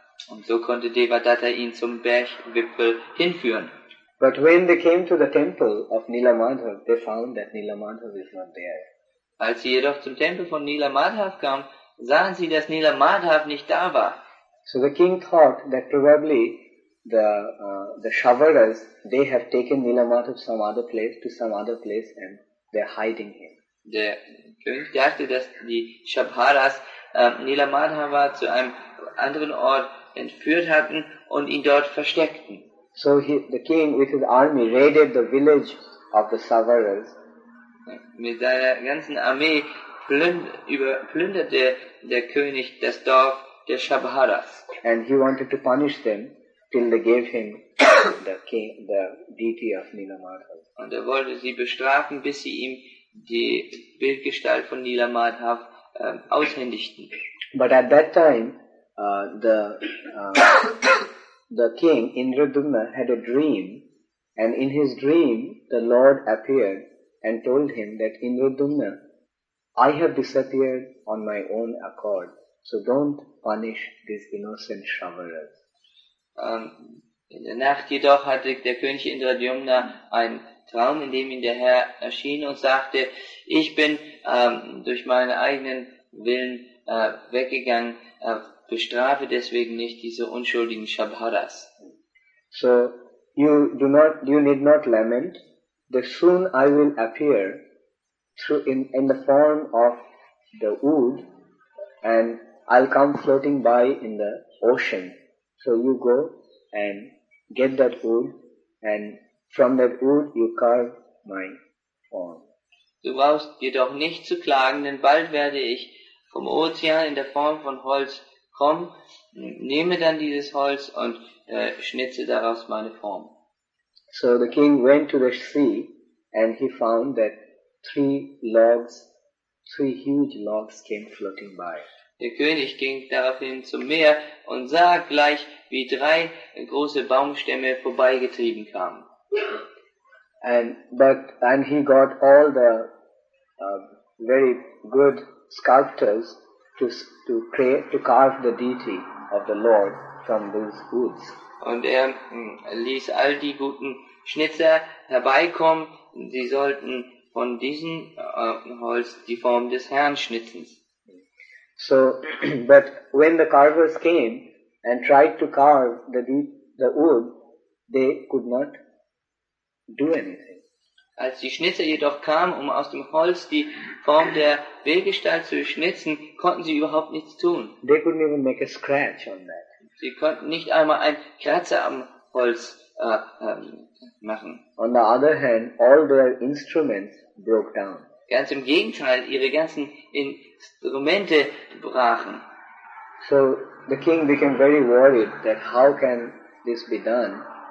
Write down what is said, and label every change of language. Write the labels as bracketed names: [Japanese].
[German] Und so konnte Devadatta ihn zum Bergwipfel hinführen. [English] But when they came to the temple of Nilamadha, they found that Nilamadha is not there. [German] Als sie jedoch zum Tempel von Nilamadha kamen, sahen sie, dass Nilamadha nicht da war. [English] So the king thought that probably the Shravakas, they have taken Nilamadha to some other place and they're hiding him. [German] Der König dachte, dass die Shravakas Nilamadha zu einem anderen Ort entführt hatten und ihn dort versteckten. [English] So the king with his army raided the village of the Shravakas. [German] Mit seiner ganzen Armee plünderte der König das Dorf der Shravakas. [English] And he wanted to punish them till they gave him the king, the deity of Nilamadha. [German] Und wollte sie bestrafen, bis sie ihm die Bildgestalt von Nilamadha aushändigten. [English] But at that time, the king Indradumna had a dream, and in his dream the Lord appeared and told him that Indradumna, I have disappeared on my own accord, so don't punish these innocent Shravakas. [German] In der Nacht jedoch hatte der König Indradumna einen Traum, in dem ihm der Herr erschien und sagte, ich bin durch meinen eigenen Willen weggegangen, bestrafe deswegen nicht diese unschuldigen Shabharas. [English] So, you need not lament, that soon I will appear through in the form of the wood, and I'll come floating by in the ocean. So you go and get that wood, and from that wood you carve my form. [German] Du brauchst jedoch nicht zu klagen, denn bald werde ich vom Ozean in der Form von Holz kommen, nehme dann dieses Holz und schnitze daraus meine Form. [English] So the king went to the sea, and he found that three huge logs came floating by. [German] Der König ging daraufhin zum Meer und sah gleich, wie drei große Baumstämme vorbeigetrieben kamen. [English] And he got all the very good sculptors to carve the deity of the Lord from those woods. [German] Und er ließ all die guten Schnitzer herbeikommen, sie sollten von diesem Holz die Form des Herrn schnitzen. [English] So, but when the carvers came and tried to carve the wood, they could not do anything. [German] Als die Schnitzer jedoch kamen, um aus dem Holz die Form der Wehgestalt zu schnitzen, konnten sie überhaupt nichts tun. [English] They couldn't even make a scratch on that. [German] Sie konnten nicht einmal einen Kratzer am Holz machen. [English] On the other hand, all their instruments broke down. [German] Ganz im Gegenteil, ihre ganzen Instrumente brachen. [English] So the king became very worried that how can this be done.